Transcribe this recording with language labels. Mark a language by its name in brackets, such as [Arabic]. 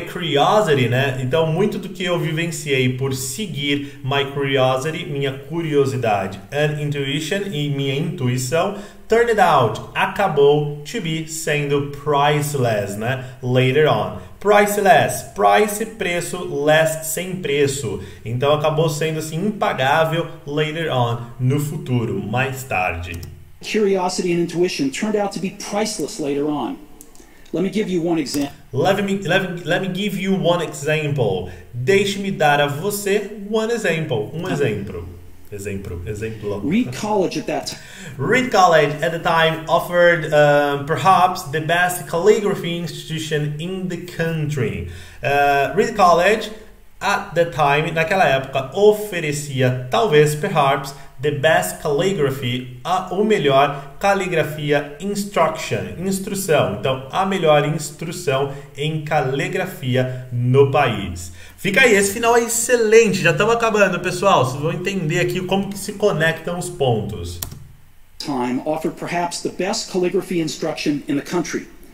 [Portuguese] curiosity, né, então, muito do que eu vivenciei por seguir [English] my curiosity, [Portuguese] minha curiosidade, [English] and intuition, [Portuguese] e minha intuição, [English] turned out, [Portuguese] acabou [English] to be [Portuguese] sendo priceless, né, [English] later on. [Portuguese] Priceless, price, preço, less, sem preço. Então acabou sendo assim impagável [English] later on, [Portuguese] no futuro, mais tarde. [English] Curiosity and intuition turned out to be priceless later on. Let me give you one example. Let me give you one example. [Portuguese] Deixe-me dar a você [English] one example. [Portuguese] Um exemplo. Exemplo. [English] Reed College at the time offered perhaps the best calligraphy institution in the country. Reed College at the time, [Portuguese] naquela época, oferecia talvez, [English] perhaps, the best calligraphy, [Portuguese] o melhor caligrafia [English] instruction, instrução. [Portuguese] Então, a melhor instrução em caligrafia no país. Fica aí, esse final é excelente, já estamos acabando, pessoal. Vocês vão entender aqui como que se conectam os pontos. [English] Time offered perhaps the best calligraphy instruction in the country.